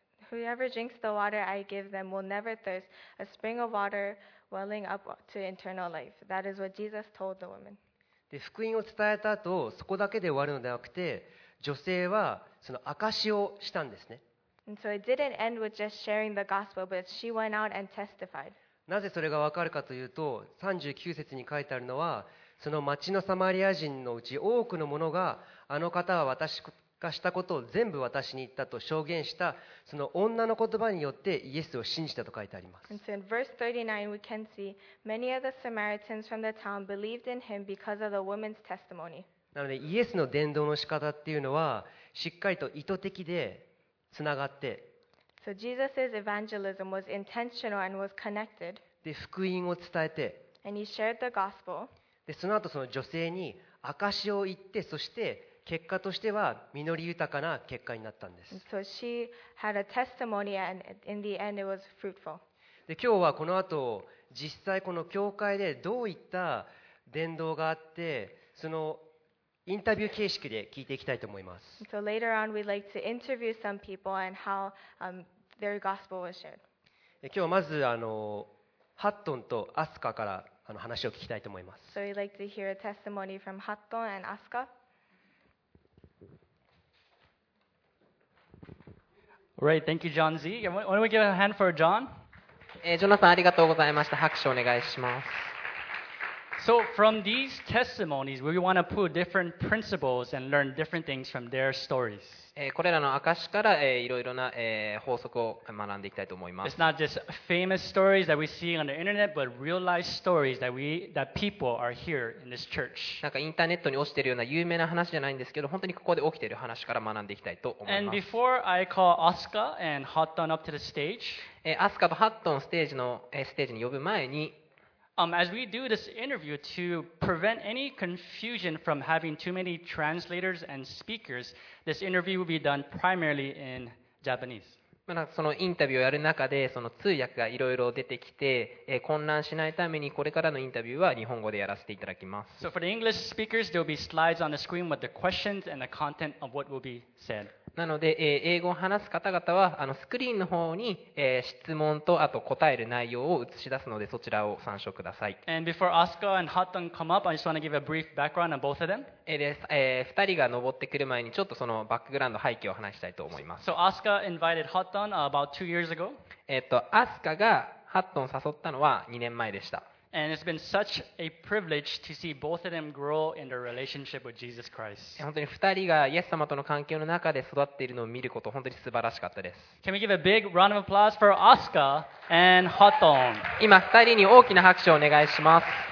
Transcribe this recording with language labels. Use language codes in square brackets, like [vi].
[en] Whoever drinks the water I give them will never thirst. A spring of water welling up to eternal life. That is what Jesus told the woman. [ja] で、福音を伝えた後、そこだけで終わるのではなくて、女性はその証しをしたんですね。 [en] And so it didn't end with just sharing the gospel, but she went out and testified. [ja] なぜそれがわかるかというと、39節に書いてあるのは、その町のサマリア人のうち多くの者が、あの方は私がしたことを全部私に言ったと証言した、その女の言葉によってイエスを信じたと書いてあります。 [en] And so in verse 39, we can see many of the Samaritans from the town believed in him because of the woman's testimony. [ja] なので、イエスの伝道の仕方っていうのは、しっかりと意図的で、つながって、 [en] So Jesus's evangelism was intentional and was connected. [ja] で、福音を伝えて、 [en] And he shared the gospel. [ja] で、その後その女性に証を言って、そして結果としては実り豊かな結果になったんです。 [en] So she had a testimony and in the end it was fruitful. [ja] で、今日はこの後実際この教会でどういった伝道があって、そのインタビュー形式で聞いていきたいと思います。 [en] So later on, we'd like to interview some people and how their gospel was shared. [ja] 今日はまずハットンとアスカから話を聞きたいと思います。 [en] So we'd like to hear a testimony from Hatton and Asuka. Right, thank you, John Z. Why don't we give a hand for John? [ja] ジョナサン、ありがとうございました。拍手お願いします。 [en] So from these testimonies, we want to pull different principles and learn different things from their stories. [ja] これらの証からいろいろな法則を学んでいきたいと思います。 [en] It's not just famous stories that we see on the internet, but real life stories that people are here in this church. [ja] なんかインターネットに落ちているような有名な話じゃないんですけど、本当にここで起きている話から学んでいきたいと思います。 [en] And before I call Asuka and Hatton up to the stage, [ja] Asuka とHattonをステージに呼ぶ前に、 [en] As we do this interview to prevent any confusion from having too many translators and speakers, this interview will be done primarily in Japanese. [ja] まあ、そのインタビューをやる中で、その通訳がいろいろ出てきて、混乱しないために、これからのインタビューは日本語でやらせていただきます。 [en] So for the English speakers, there will be slides on the screen with the questions and the content of what will be said. [ja] なので、英語を話す方々はスクリーンの方に、質問とあと答える内容を映し出すので、そちらを参照ください。 [en] And before Asuka and Hatton come up, I just want to give a brief background on both of them. [ja] 2人が登ってくる前にちょっとそのバックグラウンド背景を話したいと思います。 [en] So Asuka invited Hatton about 2 years ago. [ja] Asuka がHattonを誘ったのは2年前でした。 [en] And it's been such a privilege to see both of them grow in their relationship with Jesus Christ. [ja] 本当に2人がイエス様との関係の中で育っているのを見ること、本当に素晴らしかったです。 [en] Can we give a big round of applause for Asuka and Hatton? [ja] 今2人に大きな拍手をお願いします。